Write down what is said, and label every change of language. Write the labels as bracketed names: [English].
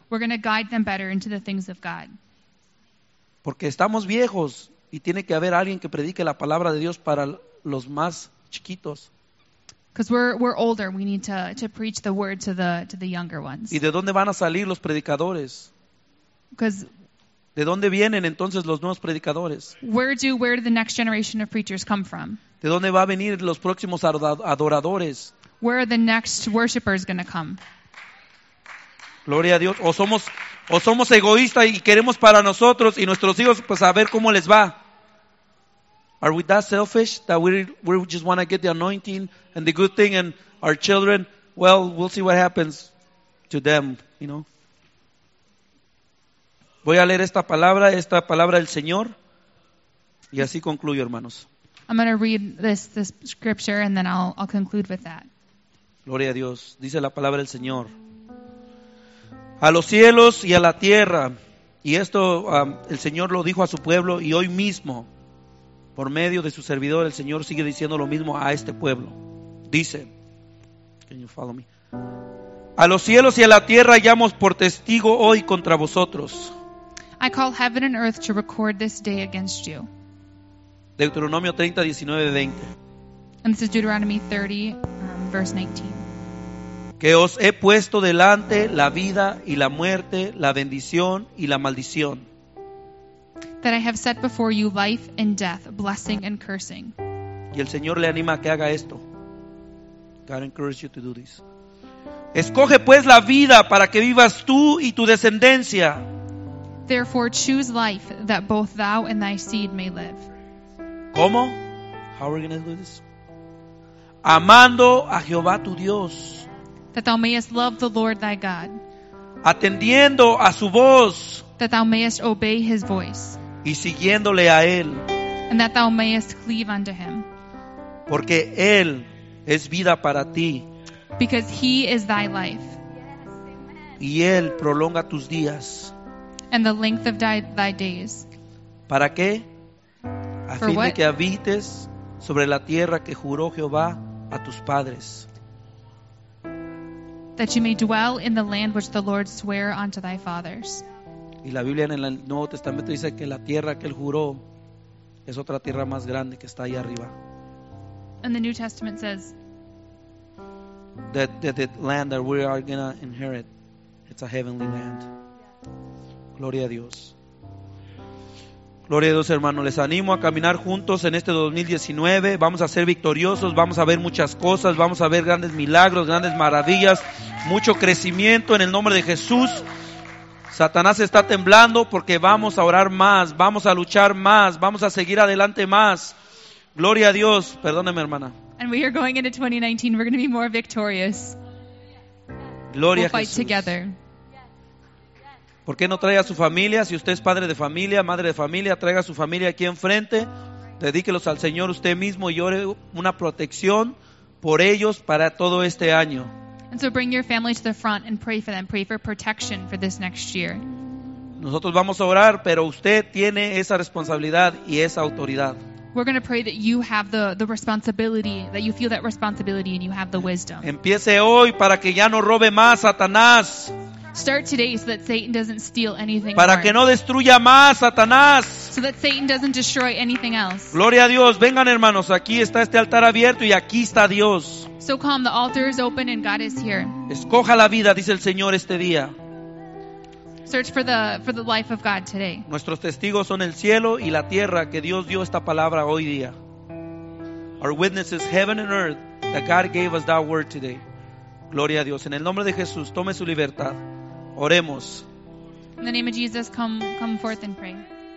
[English] We're going to guide them better into the things of God. [Spanish] Porque estamos viejos y tiene que haber alguien que predique la palabra de Dios para los más chiquitos. [English] Because we're older, we need to preach the word to the younger ones. [Spanish] ¿Y de dónde van a salir los predicadores? ¿De dónde vienen entonces los nuevos predicadores? [English] Where do the next generation of preachers come from? [Spanish] ¿De dónde va a venir los próximos adoradores? [English] Where are the next worshipers going to come? [Spanish] Gloria a Dios. O somos egoístas y queremos para nosotros y nuestros hijos pues a ver cómo les va. [English] Are we that selfish that we just want to get the anointing and the good thing and our children? Well, we'll see what happens to them, you know. [Spanish] Voy a leer esta palabra del Señor Y así concluyo, hermanos. [English] I'm going to read this scripture and then I'll conclude with that. [Spanish] Gloria a Dios. Dice la palabra del Señor. A los cielos y a la tierra. Y esto el Señor lo dijo a su pueblo y hoy mismo, por medio de su servidor, el Señor sigue diciendo lo mismo a este pueblo. Dice, [English] can you follow me? [Spanish] A los cielos y a la tierra llamo por testigo hoy contra vosotros. [English] I call heaven and earth to record this day against you. [Spanish] Deuteronomio 30, 19, 20. [English] And this is Deuteronomy 30, verse 19. [Spanish] Que os he puesto delante la vida y la muerte, la bendición y la maldición. [English] That I have set before you life and death, blessing and cursing. [Spanish] Y el Señor le anima a que haga esto. [English] God encourages you to do this. [Spanish] Escoge pues la vida para que vivas tú y tu descendencia. [English] Therefore choose life that both thou and thy seed may live. [Spanish] ¿Cómo? [English] How are we going to do this? [Spanish] Amando a Jehová tu Dios. [English] That thou mayest love the Lord thy God. [Spanish] Atendiendo a su voz. [English] That thou mayest obey his voice. [Spanish] Y siguiéndole a él. [English] And that thou mayest cleave unto him. [Spanish] Porque él es vida para ti. [English] Because he is thy life. [Spanish] Y él prolonga tus días. [English] And the length of thy days. [Spanish] ¿Para qué? A fin de que habites sobre la tierra que juró Jehová a tus padres. [English] That you may dwell in the land which the Lord swore unto thy fathers. [Spanish] Y la Biblia en el Nuevo Testamento dice que la tierra que él juró es otra tierra más grande que está ahí arriba. [English] And the New Testament says that the land that we are going to inherit, it's a heavenly land. [Spanish] Gloria a Dios. Gloria a Dios, hermano. Les animo a caminar juntos en este 2019. Vamos a ser victoriosos. Vamos a ver muchas cosas. Vamos a ver grandes milagros, grandes maravillas. Mucho crecimiento en el nombre de Jesús. Satanás está temblando porque vamos a orar más. Vamos a luchar más. Vamos a seguir adelante más. Gloria a Dios. Perdóneme, hermana. [English] And we are going into 2019. We're going to be more victorious. [Spanish] Gloria [English] we'll fight [Spanish] a Jesús. [English] Together. [Spanish] ¿Por qué no trae a su familia? Si usted es padre de familia, madre de familia, traiga a su familia aquí enfrente. Dedíquelos al Señor usted mismo y ore una protección por ellos para todo este año. [English] And so bring your family to the front and pray for them. Pray for protection for this next year. [Spanish] Nosotros vamos a orar, pero usted tiene esa responsabilidad y esa autoridad. [English] We're going to pray that you have the responsibility, that you feel that responsibility and you have the wisdom. [Spanish] Empiece hoy para que ya no robe más Satanás. [English] Start today so that Satan doesn't steal anything. [Spanish] Para que no destruya más Satanás. [English] So that Satan doesn't destroy anything else. [Spanish] Gloria a Dios. Vengan, hermanos. Aquí está este altar abierto y aquí está Dios. [English] So come, the altar is open and God is here. [Spanish] Escoja la vida, dice el Señor este día. [English] Search for the life of God today. [Spanish] Nuestros testigos son el cielo y la tierra que Dios dio esta palabra hoy día. [English] Our witness is heaven and earth that God gave us that word today. [Spanish] Gloria a Dios. En el nombre de Jesús, tome su libertad. Oremos. [English] In the name of Jesus, come forth and pray.